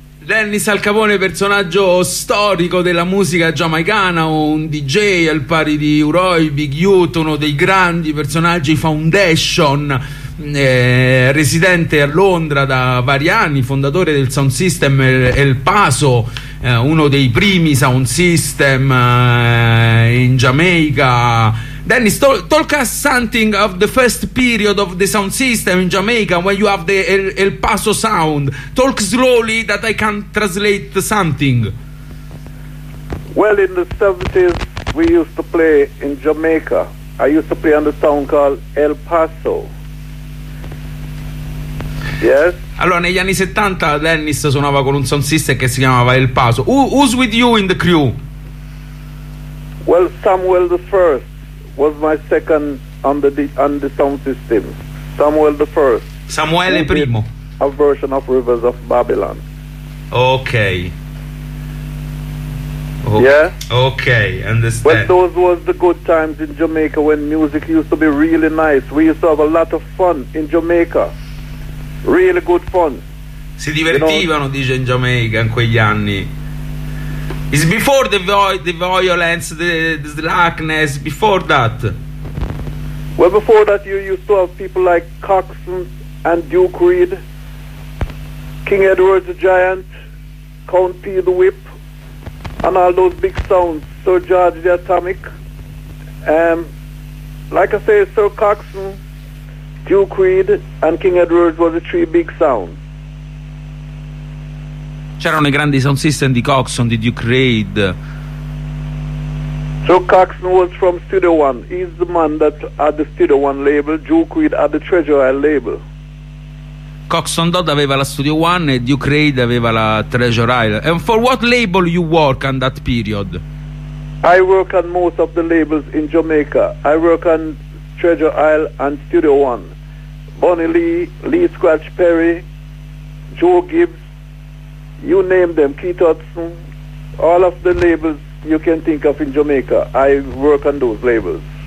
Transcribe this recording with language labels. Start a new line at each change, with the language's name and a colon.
Italian: Dennis Al Capone, personaggio storico della musica giamaicana, un DJ al pari di Uroi, Big Youth, uno dei grandi personaggi Foundation, residente a Londra da vari anni, fondatore del sound system El Paso, uno dei primi sound system in Jamaica.
English: Dennis, talk us something of the first period of the sound system in Jamaica when you have the El Paso sound. Talk slowly that I can translate something. Well, in the 70s, we used to play in Jamaica. I used to play on the sound called El Paso. Yes?
Italian: Allora, negli anni 70, Dennis suonava con un sound system che si chiamava El Paso.
English: Who's with you in the crew? Well, Samuel the First was my second on the sound system. Samuel the First.
Italian: Samuele Primo.
English: A version of Rivers of Babylon. Okay. Yeah? Okay, understand. Well, those was the good times in Jamaica when music used to be really nice. We used to have a lot of fun in Jamaica. Really good fun.
Italian: Si divertivano,
English: you know?
Italian: Dice, in Jamaica in quegli anni.
English: It's before the violence, the slackness, before that. Well, before that you used to have people like Coxon and Duke Reed, King Edward the Giant, Count P the Whip, and all those big sounds, Sir George the Atomic. Like I say, Sir Coxon, Duke Reed, and King Edward were the three big sounds.
Italian: C'erano i grandi sound system di Coxon, di Duke Reid.
English: So Coxon was from Studio One. He's the man that had the Studio One label. Duke Reid had the Treasure Isle label.
Italian: Coxon Dodd aveva la Studio One e Duke Reid aveva la Treasure Isle.
English: And for what label you work on that period? I work on most of the labels in Jamaica. I work on Treasure Isle and Studio One. Bonnie Lee Scratch Perry, Joe Gibbs, you name them, Keith Hudson, all of the labels you can think of in Jamaica, I work on those labels.